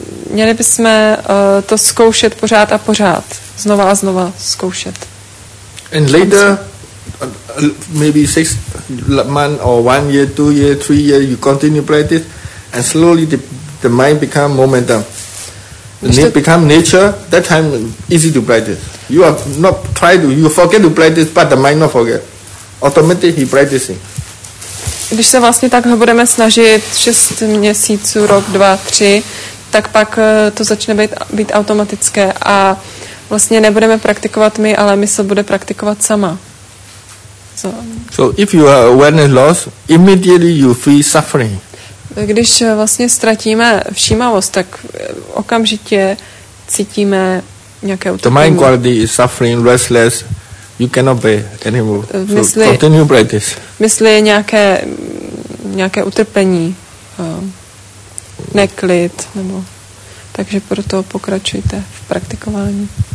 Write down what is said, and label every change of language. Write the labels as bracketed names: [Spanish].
[Czech] Měli bychom to zkoušet pořád a pořád, znova a znova zkoušet. [English] And later, maybe 6 months or 1 year, 2 years, 3 years, you continue practice, and slowly the mind become momentum. Become nature, that time easy to practice. You are not try to, you forget to practice, but the mind not forget. Automatically he practicing. [Czech] Když se vlastně takhle budeme snažit 6 měsíců, rok, 2, 3, tak pak to začne být automatické a vlastně nebudeme praktikovat my, ale mysl bude praktikovat sama. [English] So if you are awareness lost, immediately you feel suffering. [Czech] Když vlastně ztratíme všímavost, tak okamžitě cítíme nějaké [English] utrpení. The mind quality is suffering, restless. You cannot be anymore. [Czech] Mysli, [English] so continue practice. [Czech] Mysli je nějaké utrpení, neklid, nebo takže proto pokračujte v praktikování.